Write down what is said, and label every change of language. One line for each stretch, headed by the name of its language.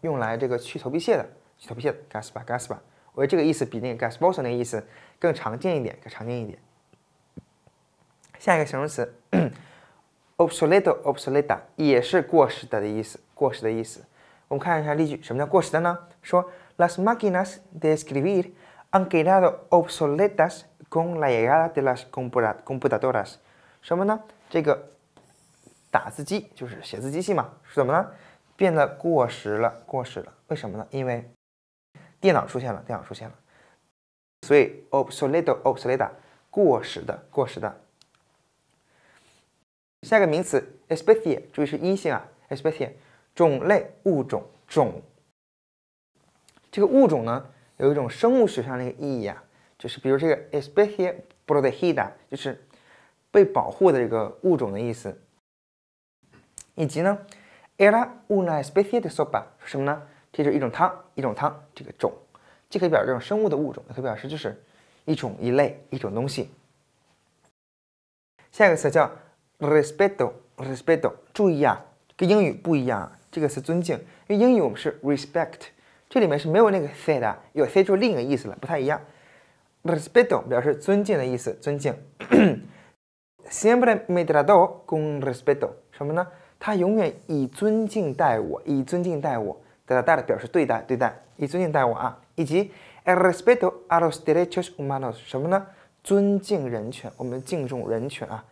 Chinese: 用来这个去头皮屑的 caspa。我觉得这个意思比那个 gasposo 那个意思更常见一点。下一个形容词 obsoleto 也是过时的意思。我们看一下例句，什么叫过时的呢？
Spanish: 说 las máquinas de escribir han quedado obsoletas con la llegada de las computadoras，
Chinese: 什么呢？这个打字机，就是写字机器嘛，是怎么呢？变得过时了。为什么呢？因为电脑出现了。所以 obsoleta 过时的。下一个名词 especie， 注意是阴性啊。especie 种类、物种、种。这个物种呢，有一种生物学上的意义啊，就是比如这个 especie protegida， 就是被保护的这个物种的意思。以及呢
Spanish: era una especie de sopa，
Chinese: 什么呢？这是一种汤，这个种既可以表示这种生物的物种，也可以表示就是一类一种东西。下一个词叫 respeto， 注意啊，跟英语不一样，这个词尊敬，因为英语我们是 respect， 这里面是没有那个 say 的，有 say 就另一个意思了，不太一样。 respeto 表示尊敬的意思，尊敬。
Spanish: Siempre me trató con respeto，
Chinese: 什么呢？他永远以尊敬待我，以尊敬待我。 tratar 表示对待，以尊敬待我啊。以及
Spanish: el respeto a los derechos humanos，
Chinese: 什么呢？尊敬人权，我们敬重人权啊。